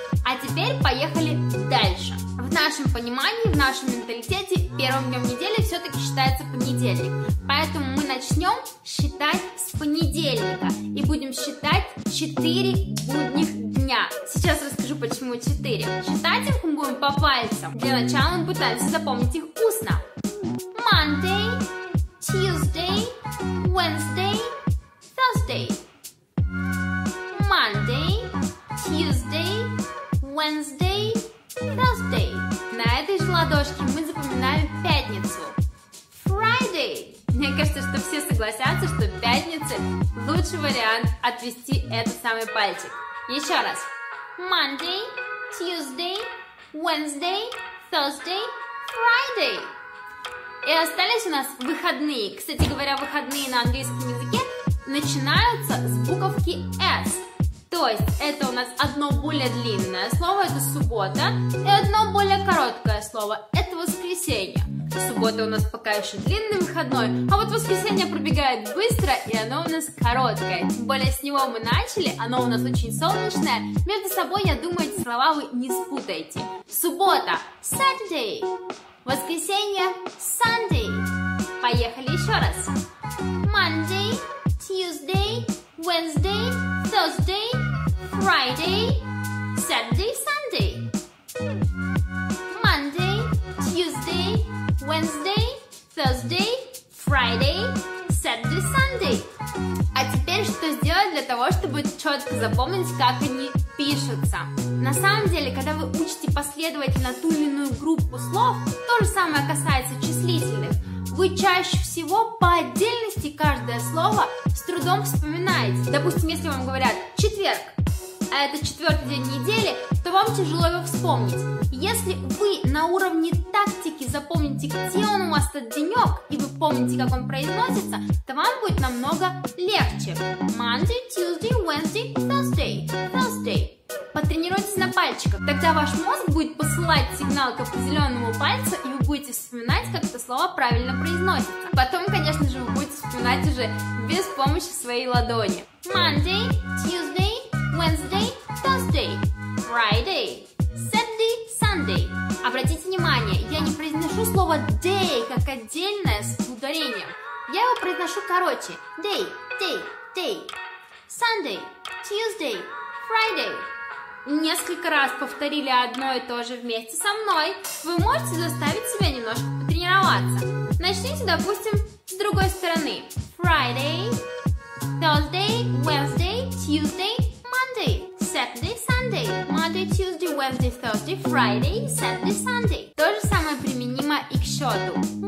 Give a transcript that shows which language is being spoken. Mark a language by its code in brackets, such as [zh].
[ru] А теперь поехали дальше. В нашем понимании, в нашем менталитете первым днем недели все-таки считается понедельник. Поэтому мы начнем считать с понедельника и будем считать 4 будних дня. Сейчас расскажу, почему 4. Считать их мы будем по пальцам. Для начала мы пытаемся запомнить их устно. [en] Monday, Tuesday, Wednesday, Thursday. Monday, Tuesday, Wednesday, Thursday. [ru] На этой же ладошке мы запоминаем пятницу. [en] Friday. [ru] Мне кажется, что все согласятся, что пятница – лучший вариант отвести этот самый пальчик. Еще раз. [en] Monday, Tuesday, Wednesday, Thursday, Friday. [ru] И остались у нас выходные. Кстати говоря, выходные на английском языке начинаются с буковки S. То есть это у нас одно более длинное слово, это суббота, и одно более короткое слово, это воскресенье. Суббота у нас пока еще длинный выходной, а вот воскресенье пробегает быстро, и оно у нас короткое. Тем более с него мы начали, оно у нас очень солнечное. Между собой, я думаю, эти слова вы не спутаете. Суббота – Saturday. Воскресенье – Sunday. Поехали еще раз. [en] Monday, Tuesday, Wednesday, Thursday, Friday, Saturday, Sunday. Monday, Tuesday, Wednesday, Thursday, Friday, Saturday, Sunday. [ru] А теперь что сделать для того, чтобы четко запомнить, как они пишутся? На самом деле, когда вы учите последовательно ту или иную группу слов, то же самое касается числительных. Вы чаще всего по отдельности каждое слово с трудом вспоминаете. Допустим, если вам говорят «четверг», а это четвертый день недели, то вам тяжело его вспомнить. Если вы на уровне тактики запомните, где он у вас этот денек, и вы помните, как он произносится, то вам будет намного легче. [en] Monday, Tuesday, Wednesday, Thursday, Thursday. [ru] Потренируйтесь на пальчиках. Тогда ваш мозг будет посылать сигнал к определенному пальцу, и вы будете вспоминать, как это слово правильно произносится. Потом, конечно же, вы будете вспоминать уже без помощи своей ладони. [en] Monday, Tuesday, Wednesday, Thursday, Friday, Saturday, Sunday. [ru] Обратите внимание, я не произношу слово day как отдельное с ударением. Я его произношу короче. [en] Day, day, day. Sunday, Tuesday, Friday. [ru] Несколько раз повторили одно и то же вместе со мной, вы можете заставить себя немножко потренироваться. Начните, допустим, с другой стороны. [en] Friday, Thursday, Wednesday, Tuesday, Monday, Saturday, Sunday, Monday, Tuesday, Wednesday, Thursday, Friday, Saturday, Sunday. [ru] То же самое применимо и к счету.